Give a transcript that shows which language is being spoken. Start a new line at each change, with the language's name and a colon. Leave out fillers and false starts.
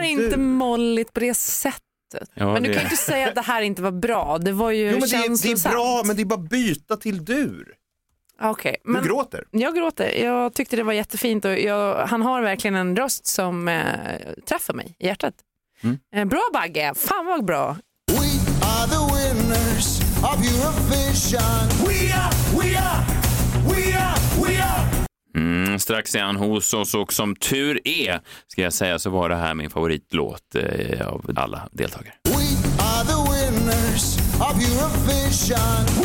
Swedish: Det är inte molligt på det sättet. Ja, men du kan ju inte säga att det här inte var bra. Det var ju känslosamt. Det är bra, men det är bara byta till dur. Okay, men du gråter. Jag gråter. Jag tyckte det var jättefint. Och han har verkligen en röst som träffar mig i hjärtat. Bra Bagge. Fan vad bra.
English: We are the winners of Eurovision.
Swedish: Strax är han hos oss, och som tur är, ska jag säga, så var det här min favoritlåt av alla deltagare.
English: We are the winners of Eurovision.